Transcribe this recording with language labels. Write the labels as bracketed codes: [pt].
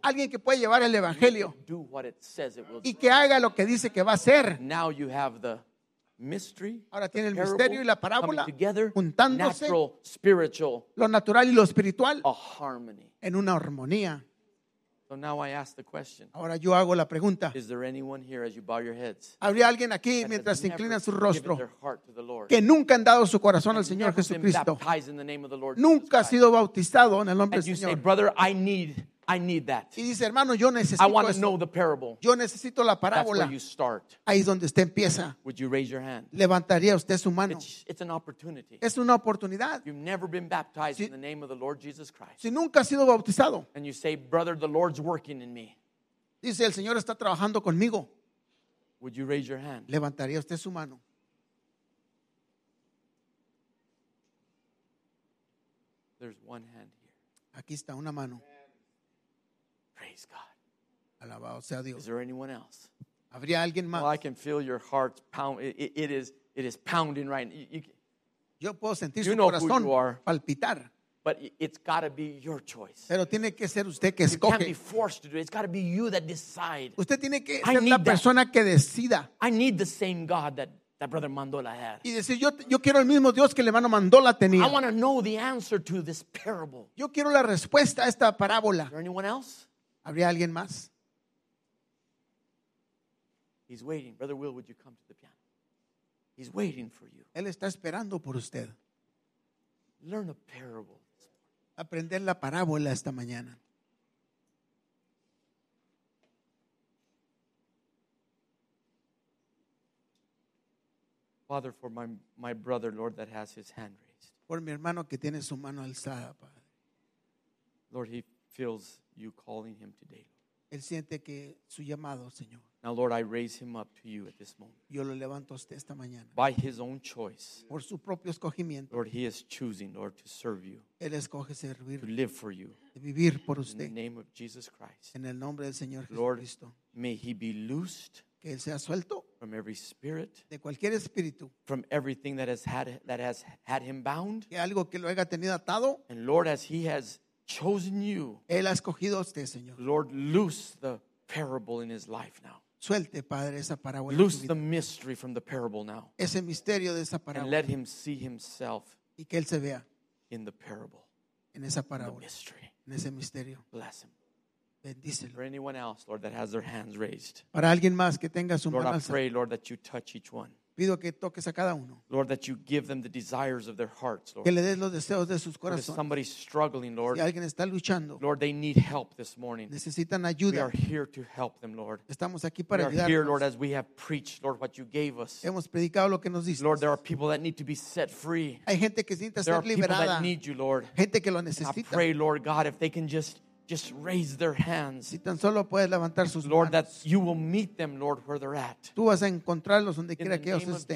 [es] Alguien que puede llevar el evangelio. [en] Do what it says it will [es] y que haga lo que dice que va a hacer. [en] Now you have the mystery, [es] ahora tiene el misterio y la parábola juntándose [en] natural, spiritual, [es] lo natural y lo espiritual [en] a harmony. [es] En una armonía. [en] So now I ask the question, [es] ahora yo hago la pregunta. [en] Is there anyone here as you bow your heads, [es] ¿habría alguien aquí mientras se inclina su rostro [en] their heart to the Lord, [es] que nunca han dado su corazón al Señor Jesucristo? Nunca ha sido bautizado en el nombre del Señor. [en] And you say, brother, I need that. [es] Y dice, hermano, yo necesito [en] I want to know the parable. [es] Yo necesito la parábola. [en] That's where you start. [es] Ahí es donde usted empieza. [en] Would you raise your hand? [es] ¿Levantaría usted su mano? [en] It's an opportunity. [es] Es una oportunidad. [en] You've never been baptized in the name of the Lord Jesus Christ. [es] Si nunca ha sido bautizado. [en] And you say, brother, the Lord's working in me. [es] Dice, el Señor está trabajando conmigo. [en] Would you raise your hand? [es] ¿Levantaría usted su mano? [en] There's one hand here. [es] Aquí está una mano. [en] Praise God. [es] Alabado sea Dios. [en] Is there anyone else? [es] ¿Habría alguien más? [en] Well, I can feel your heart pound. It is pounding right now. [es] Yo puedo sentir [en] you [es] su corazón [en] you are, [es] palpitar. [en] But it's got to be your choice. [es] Pero tiene que ser usted que escoge. [en] You can't be forced to do it. It's got to be you that decide. [es] Usted tiene que ser la persona que decida. [en] I need the same God that Brother Mandola had. [es] Y decir, yo quiero el mismo Dios que el hermano Mandola tenía. [en] I want to know the answer to this parable. [es] Yo quiero la respuesta a esta parábola. [en] Is there anyone else? [es] ¿Habría alguien más? [en] He's waiting. Brother Will, would you come to the piano? He's waiting for you. [es] Él está esperando por usted. [en] Learn a parable. [es] Aprender la parábola esta mañana. [en] Father, for my brother, Lord, that has his hand raised. [es] Por mi hermano que tiene su mano alzada, Padre. [en] Lord, he feels you calling him today. [es] Él siente que su llamado, Señor. [en] Now, Lord, I raise him up to you at this moment. [es] Yo lo levanto a usted esta mañana. [en] By his own choice. [es] Por su propio escogimiento. [en] Lord, he is choosing, Lord, to serve you. [es] Él escoge servir. [en] To live for you. [es] De vivir por usted. [en] In the name of Jesus Christ. [es] En el nombre del Señor [en] Jesucristo. Lord, may he be loosed. [es] Que él sea suelto. [en] From every spirit. [es] De cualquier espíritu. [en] From everything that has had him bound. [es] Que algo que lo haya tenido atado. [en] And Lord, as he has chosen you. [es] Él ha escogido a usted, Señor. [en] Lord, loose the parable in his life now. [es] Suelte, Padre, esa parábola. [en] Loose the mystery from the parable now. [es] Ese misterio de esa parábola. [en] And let him see himself. [es] Y que él se vea. [en] In the parable. [es] En esa parábola. [en] In the mystery. [es] En ese misterio. [en] Bless him. [es] Bendícelo. [en] For anyone else, Lord, that has their hands raised. [es] Para alguien más que tenga su mano alzada. [en] Lord, I pray, Lord, that you touch each one. [es] Pido que toques a cada uno. [en] Lord, that you give them the desires of their hearts, Lord. [es] Que le des los deseos de sus corazones. [en] If somebody's struggling, Lord. [es] Si alguien está luchando. [en] Lord, they need help this morning. [es] Necesitan ayuda. [en] We are here to help them, Lord. [es] Estamos aquí para ayudarlos. [en] We are here, Lord, as we have preached, Lord, what you gave us. [es] Hemos predicado lo que nos diste. [en] Lord, there are people that need to be set free. [es] Hay gente que necesita ser liberada. [en] There are people that need you, Lord. [es] Gente que lo necesita. [en] I pray, Lord God, if they can just raise their hands. [es] Si tan solo puedes levantar sus [en] Lord, [es] manos. [en] That you will meet them, Lord, where they're at. [es] Tú vas a encontrarlos donde quiera que ellos estén.